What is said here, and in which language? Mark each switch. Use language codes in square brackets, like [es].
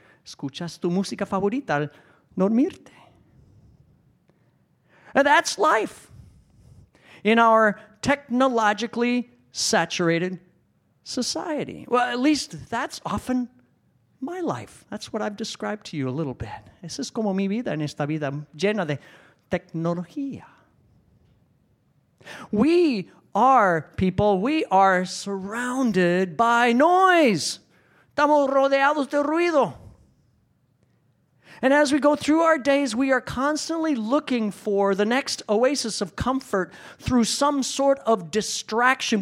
[es] Escuchas tu música favorita al dormirte. [en] And that's life. In our technologically saturated society. Well, at least that's often my life. That's what I've described to you a little bit. [es] Es como mi vida en esta vida llena de tecnología. [en] We are people, we are surrounded by noise. [es] Estamos rodeados de ruido. [en] And as we go through our days, we are constantly looking for the next oasis of comfort through some sort of distraction.